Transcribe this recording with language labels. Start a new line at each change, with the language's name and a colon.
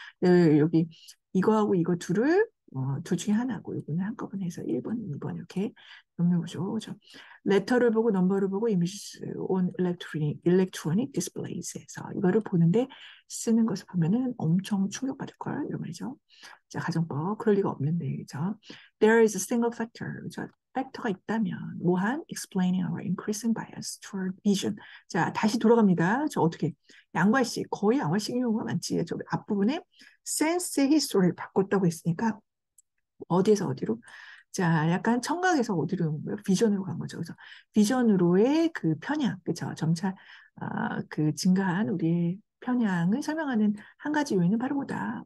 Korean: 여기 이거하고 이거 둘을 둘 중에 하나고 이거는 한꺼번에 해서 1번, 2번 이렇게 넘겨보죠. 레터를 보고 넘버를 보고 이미지스 온 일렉트로닉 디스플레이스에서 이거를 보는데 쓰는 것을 보면은 엄청 충격받을 거야 이런 말이죠. 자, 가정법 그럴 리가 없는데 그렇죠?
English: There is a single factor.
Korean: 그렇죠? 팩터가 있다면 무한
English: explaining our increasing bias toward vision.
Korean: 자, 다시 돌아갑니다. 저 어떻게 양과일식 거의 양과일식인 경우가 많지. 저 앞부분에 sense의 history를 바꿨다고 했으니까 어디에서 어디로? 자, 약간 청각에서 어디로 온 거예요? 비전으로 간 거죠. 그래서 비전으로의 그 편향, 그렇죠? 점차 그 증가한 우리의 편향을 설명하는 한 가지 요인은 바로 뭐다?